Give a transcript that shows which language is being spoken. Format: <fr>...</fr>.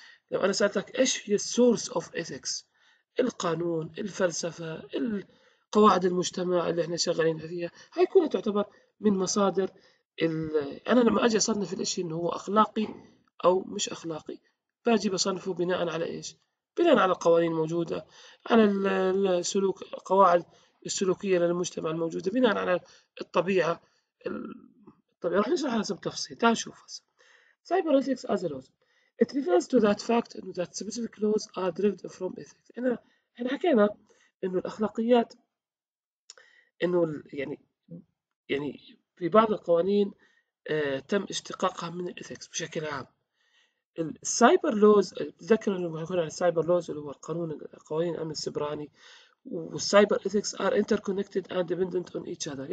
<ar>لو انا سالتك ايش هي السورس اوف ايثكس، القانون، الفلسفه، قواعد المجتمع اللي احنا شغالين فيها، هاي كلها تعتبر من مصادر انا لما اجي اصنف الاشي انه هو اخلاقي او مش اخلاقي، باجي بصنفه بناء على ايش؟ بناء على القوانين الموجوده، على السلوك، قواعد السلوكيه للمجتمع الموجوده، بناء على الطبيعه. الطبيعه راح نشرحها هسه بتفصيل. تعال شوف هسه سايبر ايثكس از لوز.</ar> <en>It refers to that fact that specific laws are derived from ethics.</en> <ar>احنا حكينا انه الاخلاقيات انه يعني في بعض القوانين تم اشتقاقها من الاثكس بشكل عام. السايبر لوز، تذكر انه بيكون على السايبر لوز اللي هو القانون، قوانين الامن السبراني، والسايبر ايثكس ار انتر كونكتد اند ديبندنت اون ايتش اذر.</ar>